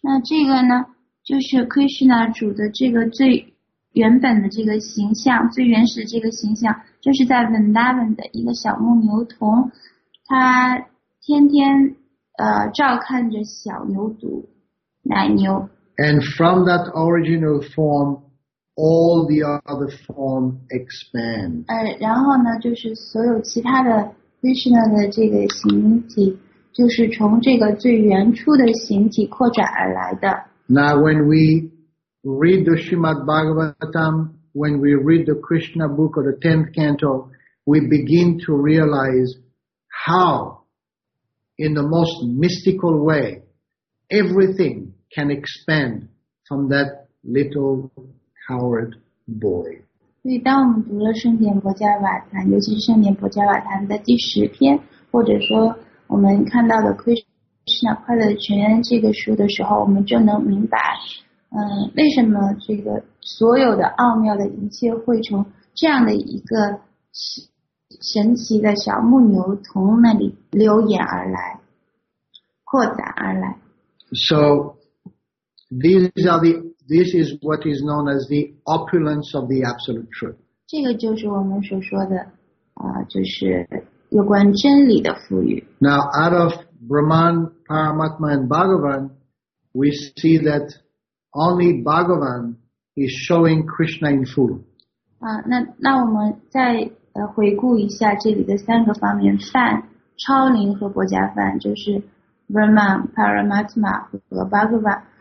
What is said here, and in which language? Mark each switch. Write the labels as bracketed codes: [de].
[zh] 那这个呢，就是 Krishna 主的这个最原本的这个形象，最原始的这个形象。就是在 Vrindavan 的一个小牧牛童，他天天照看着小牛犊奶牛。 [en] And from that original form, all the other form expand. [zh] 然后呢，就是所有其他的 Krishna 的这个形体，就是从这个最原初的形体扩展而来的。 [en] Now when we read the Srimad Bhagavatam. When we read the Krishna book or the 10th canto, we begin to realize how, in the most mystical way, everything can expand from that little coward boy. [zh] 所以当我们读了圣典薄伽瓦坛，尤其是圣典薄伽瓦坛的第十篇，或者说我们看到的 Krishna Krishna 快乐的泉源这个书的时候，我们就能明白，为什么这个所有的奥妙的一切会从这样的一个神奇的小牧牛从那里流眼而来，扩展而来。 [en] So this is what is known as the opulence of the absolute truth. [zh] 这个就是我们所说的，就是有关真理的富裕。 [en] Now out of Brahman, Paramatma, and Bhagavan, we see that only Bhagavan is showing Krishna in full. [zh] 那我们再回顾一下这里的三个方面：梵、超灵和国家梵，就是 Brahman, Paramatma 和 Bhagavan。